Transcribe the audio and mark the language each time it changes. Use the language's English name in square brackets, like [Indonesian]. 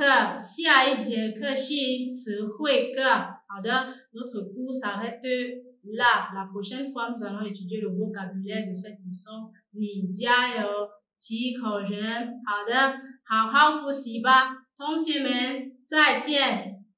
[Chinese] 学了好，现在我们下课，下一节课是词汇课。好的 [French] ，notre cours s'arrête là. La prochaine fois, nous allons étudier le vocabulaire de cette leçon. [Chinese] 你加油，几口人。好的，好好复习吧，同学们，再见。